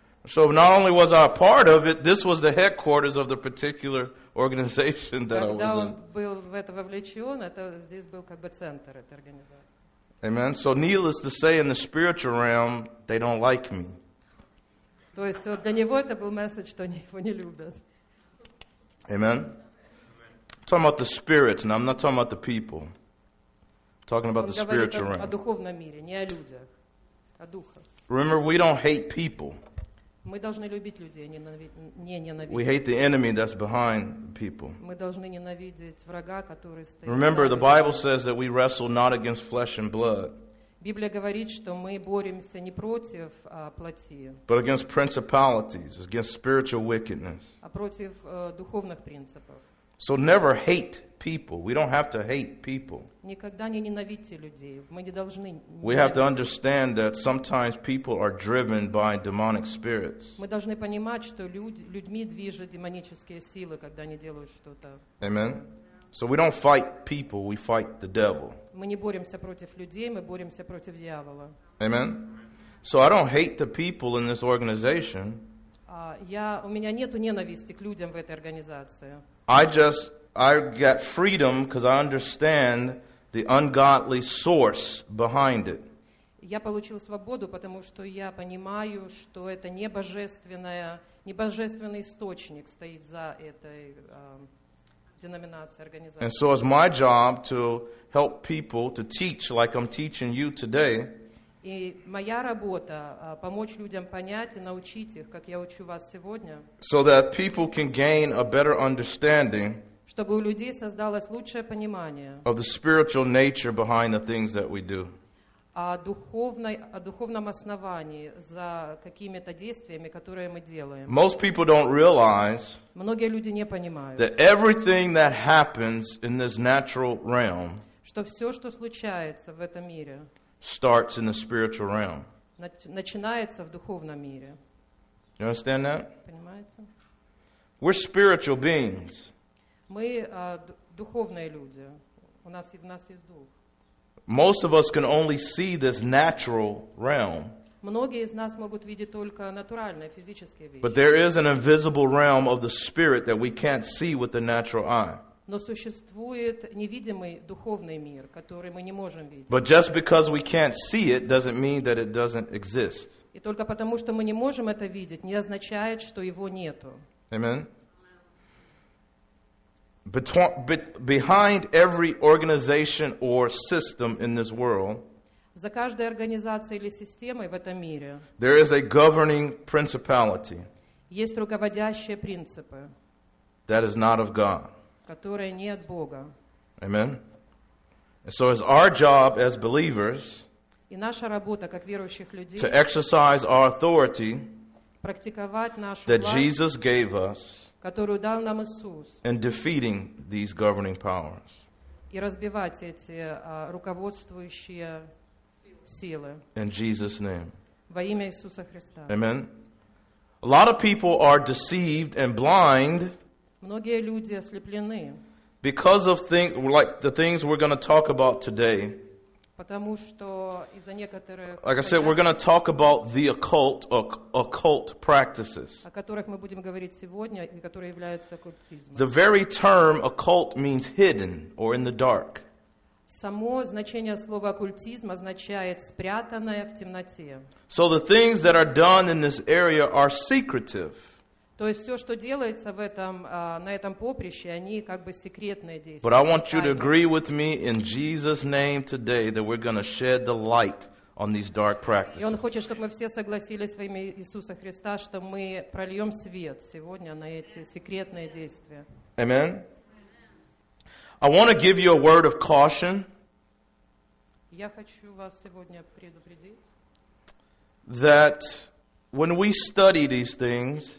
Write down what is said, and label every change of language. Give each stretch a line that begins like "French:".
English: So not only was I a part of it, this was the headquarters of the particular organization that
Russian: когда
English: I was in.
Russian: Был в это вовлечен, это здесь был как бы центр этой организации.
English: Amen. So needless to say, in the spiritual realm, they don't like me.
Russian: То есть для него это был месседж, что они его не любят.
English: Amen. I'm talking about the spirit, and I'm not talking about the people. I'm talking about the spiritual realm.
Russian: О духовном мире, не о людях, о духах.
English: Remember, we don't hate people.
Russian: Мы должны любить людей, не ненавидеть.
English: We hate the enemy that's behind people.
Russian: Мы должны ненавидеть врага, который стоит.
English: Remember, the Bible says that we wrestle not against flesh and blood.
Russian: Библия говорит, что мы боремся не против плоти.
English: But against principalities, against spiritual wickedness.
Russian: А против духовных принципов.
English: So never hate people. We don't have to hate people.
Russian: Никогда не ненавидьте людей. Мы не должны.
English: We have to understand that sometimes people are driven by demonic spirits.
Russian: Мы должны понимать, что людьми движут демонические силы, когда они делают что-то.
English: Amen. So we don't fight people, we fight the devil.
Russian: Мы не боремся против людей, мы боремся против дьявола.
English: Amen. So I don't hate the people in this organization.
Russian: У меня нету ненависти к людям в этой организации.
English: I got freedom because I understand the ungodly source behind it.
Russian: Я получил свободу, потому что я понимаю, что это не божественный источник стоит за этой деноминацией, организацией.
English: And so it's my job to help people to teach like I'm teaching you today.
Russian: И моя работа помочь людям понять и научить их, как я учу вас сегодня.
English: So that people can gain a better understanding.
Russian: Чтобы у людей создалось лучшее понимание
English: of the spiritual nature behind the things that we do.
Russian: духовном основании, за какими-то действиями, которые мы делаем.
English: Most people don't realize
Russian: многие люди не понимают,
English: that everything that happens in this natural realm,
Russian: что все, что случается в этом мире,
English: starts in the spiritual realm.
Russian: Начинается в духовном мире.
English: You understand that?
Russian: Понимаете?
English: We're spiritual beings.
Russian: Мы духовные люди. У нас есть дух.
English: Most of us can only see this natural realm.
Russian: Многие из нас могут видеть только натуральные, физические вещи.
English: But there is an invisible realm of the spirit that we can't see with the natural eye.
Russian: Но существует невидимый духовный мир, который мы не можем видеть.
English: But just because we can't see it doesn't mean that it doesn't exist.
Russian: И только потому, что мы не можем это видеть, не означает, что его нету.
English: Amen. Behind every organization or system in this world,
Russian: за каждой организацией или системой в этом мире,
English: there is a governing principality.
Russian: Есть руководящие принципы.
English: That is not of God.
Russian: Которые не от Бога.
English: Amen. And so it's our job as believers,
Russian: и наша работа как верующих людей,
English: to exercise our authority,
Russian: практиковать нашу власть,
English: that Jesus gave us,
Russian: которую дал нам Иисус,
English: and defeating these governing powers,
Russian: и разбивать эти руководствующие силы,
English: in Jesus' name,
Russian: во имя Иисуса Христа.
English: Amen. A lot of people are deceived and blind.
Russian: Многие люди ослеплены.
English: Because of things like the things we're going to talk about today.
Russian: Потому что из-за некоторых,
English: like I said, we're going to talk about the occult or occult practices.
Russian: О которых мы будем говорить сегодня, и которые являются оккультизмом.
English: The very term occult means hidden or in the dark.
Russian: Само значение слова оккультизм означает спрятанное в темноте.
English: So the things that are done in this area are secretive.
Russian: То есть все, что делается в этом, на этом поприще, они как бы секретные действия.
English: But I want you to agree with me in Jesus' name today that we're going to shed the light on these dark practices.
Russian: И он хочет, чтобы мы все согласились во имя Иисуса Христа, что мы прольем свет сегодня на эти секретные действия.
English: Amen. I want to give you a word of caution.
Russian: Я хочу вас сегодня предупредить.
English: That when we study these things,